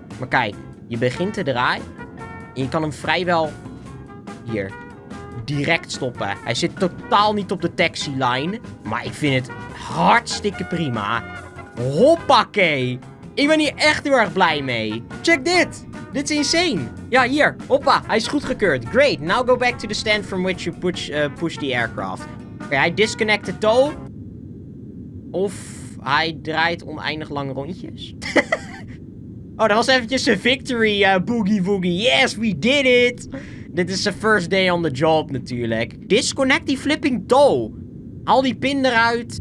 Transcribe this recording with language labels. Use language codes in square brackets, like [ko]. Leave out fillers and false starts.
[nl] Maar kijk, je begint de draai. En je kan hem vrijwel... Hier. Direct stoppen. Hij zit totaal niet op de taxi-line. Maar ik vind het hartstikke prima. Hoppakee. Ik ben hier echt heel erg blij mee. Check dit. Dit is insane. Ja, hier. Hoppa. Hij is goedgekeurd. Great. [en] Now go back to the stand from which you push the aircraft. [nl] Oké, hij [en] disconnect the tow. [nl] Of... Hij draait oneindig lange rondjes. Oh, dat was eventjes een victory, boogie woogie. [en] Yes, we did it. [nl] Dit is [en] the first day on the job [nl] natuurlijk. Disconnect die flipping toe. Haal die pin eruit.